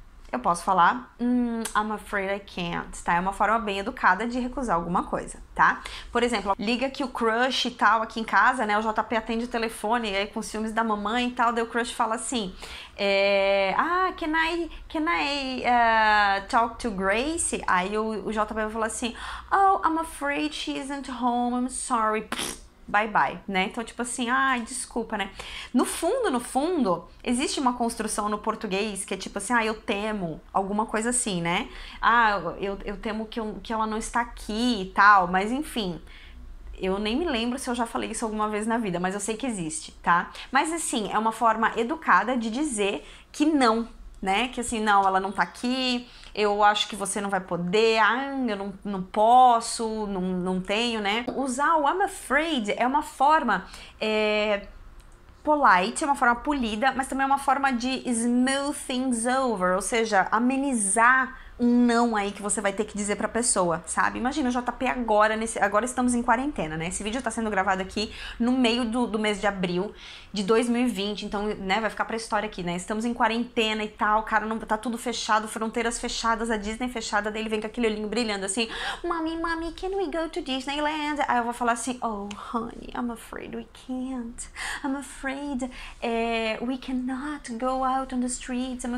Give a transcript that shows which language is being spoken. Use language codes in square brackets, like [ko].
[pt] Eu posso falar, [en] I'm afraid I can't, [pt] tá? É uma forma bem educada de recusar alguma coisa, tá? Por exemplo, liga que o crush e tal aqui em casa, né? O JP atende o telefone e aí com ciúmes da mamãe e tal, daí o crush fala assim, [en] can I talk to Grace? [pt] Aí o JP vai falar assim, oh, [en] I'm afraid she isn't home, I'm sorry. Bye bye, [pt] né? Então, tipo assim, ai, desculpa, né? No fundo, no fundo, existe uma construção no português que é tipo assim, ah, eu temo, alguma coisa assim, né? Ah, eu temo que ela não está aqui e tal, mas enfim, eu nem me lembro se eu já falei isso alguma vez na vida, mas eu sei que existe, tá? Mas assim, é uma forma educada de dizer que não, né? Que assim, não, ela não tá aqui, eu acho que você não vai poder, eu não posso, não tenho, né? Usar o I'm afraid é uma forma polite, é uma forma polida, mas também é uma forma de [en] smooth things over, [pt] ou seja, amenizar um não aí que você vai ter que dizer pra pessoa, sabe? Imagina o JP agora, agora estamos em quarentena, né? Esse vídeo tá sendo gravado aqui no meio do mês de abril de 2020, então, né, vai ficar pra história aqui, né? Estamos em quarentena e tal, cara, não, tá tudo fechado, fronteiras fechadas, a Disney fechada, daí ele vem com aquele olhinho brilhando assim: [en] Mommy, mommy, can we go to Disneyland? [pt] Aí eu vou falar assim: [en] Oh, honey, I'm afraid we can't. I'm afraid we cannot go out on the streets.